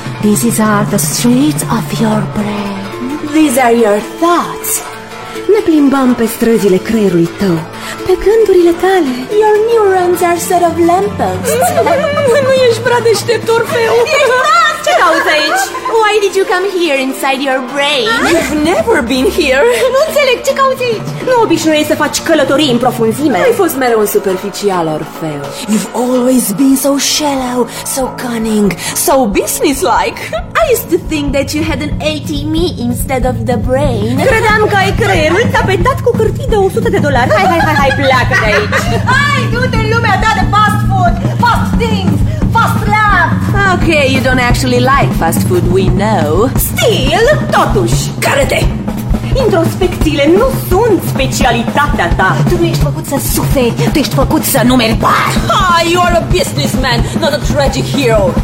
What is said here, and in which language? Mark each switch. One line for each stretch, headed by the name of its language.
English: These are the streets of your brain. These are your thoughts.
Romanian: Ne plimbăm pe străzile creierului tău, pe gândurile tale.
English: Your neurons are set of lampposts.
Romanian: Nu ești prea deștept, Orfeu. Ce cauți aici?
English: Why did you come here inside your brain? You've never been here.
Romanian: Nu înțeleg, ce cauți aici? Nu obișnuiești să faci călătorii în profunzime. Ai fost mereu superficial, Orfeu.
English: You've always been so shallow, so cunning, so businesslike. I used to think that you had an ATM instead of the brain.
Romanian: Credeam că ai creierul tapetat cu hârtii de $100. Hai, pleacă de aici. Hai, du-te în lumea ta de fast food, fast things.
English: Fast lap! Okay, you don't actually like fast food, we know. Still, totuși,
Romanian: care-te! Introspecțiile nu sunt specialitatea ta. Tu nu ești făcut să suferi, tu ești făcut să numeri bani.
English: Ha, you are a businessman, not a tragic hero.